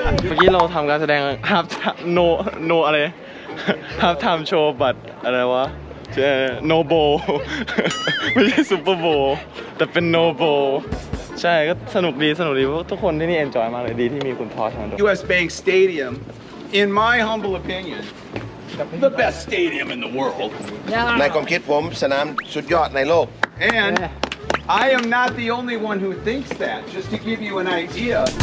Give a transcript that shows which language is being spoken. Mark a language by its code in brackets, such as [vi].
[th] เมื่อกี้เราทำการแสดง half time no อะไร half time show บัตรอะไรวะใช่ no bowl ไม่ใช่ super bowl แต่เป็น no bowl ใช่ก็สนุกดีทุกคนที่นี่ enjoy มากเลยดีที่มีคุณพ่อทำด้วย [en] US Bank Stadium in my humble opinion the best stadium in the world [th] ในความคิดผมสนามสุดยอดในโลก [en] and I am not the only one who thinks that just to give you an idea